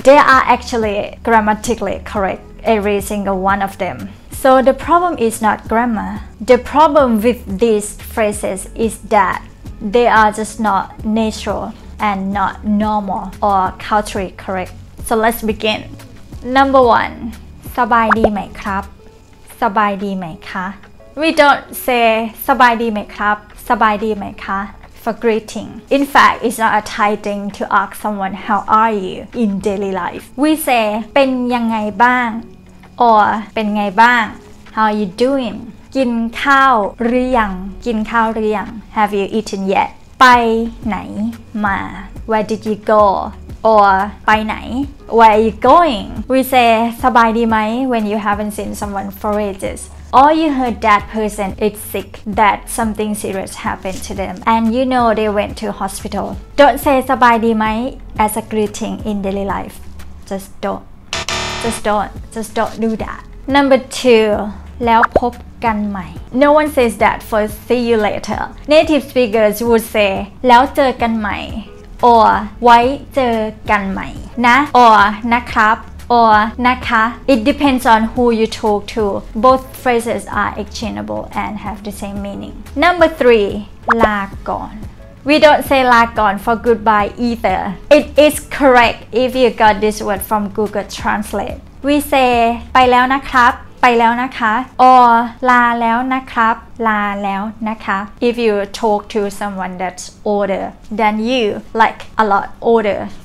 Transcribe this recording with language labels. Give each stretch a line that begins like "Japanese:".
English: They are actually grammatically correct, every single one of them. So the problem is not grammar. The problem with these phrases is that they are just not natural and not normal or culturally correct. So let's begin. Number one,
Thai: สบายดีไหมครับ?สบายดีไหมคะ?
English: We don't say
Thai: สบายดีไหมครับ? สบายดีไหมคะ?
English: For greeting. In fact, it's not a Thai thing to ask someone how are you in daily life. We say
Thai: เป็นยังไงบ้าง
English: Or
Thai: เป็นไงบ้าง
English: How are you doing?
Thai: กินข้าวหรือยังกินข้าวหรือยัง
English: Have you eaten yet?
Thai: ไปไหนมา
English: Where did you go? Or
Thai: ไปไหน
English: Where are you going? We say
Thai: สบายดีไหม
English: when you haven't seen someone for ages. Or you heard that person is sick, that something serious happened to them, and you know they went to hospital. Don't say
Thai: สบายดีไหม
English: as a greeting in daily life. Just don't. Just don't do that. Number 2,
Thai: แล้วพบกันใหม่.
English: No one says that for see you later. Native speakers would say,
Thai: แล้วเจอกันใหม่ or ไว้เจอกันใหม่นะ or นะครับ or นะคะ.
English: It depends on who you talk to. Both phrases are exchangeable and have the same meaning. Number 3,
Thai: ลาก่อน
English: We don't say ลาก่อน for goodbye either. It is correct if you got this word from Google Translate. We say
Thai: ไปแล้วนะครับ ไปแล้วนะคะ
English: or
Thai: ลาแล้วนะครับ ลาแล้วนะคะ
English: If you talk to someone that's older than you, like a lot older.